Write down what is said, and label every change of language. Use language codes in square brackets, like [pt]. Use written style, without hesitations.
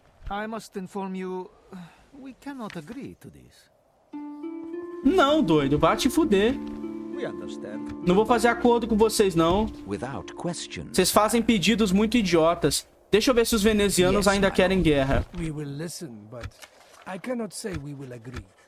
[en] I must inform you, we cannot agree to this. [pt] Não, doido, vá te fuder. Não vou fazer acordo com vocês, não. Vocês fazem pedidos muito idiotas. Deixa eu ver se os venezianos ainda querem guerra. [en] We will listen, but I cannot say we will agree.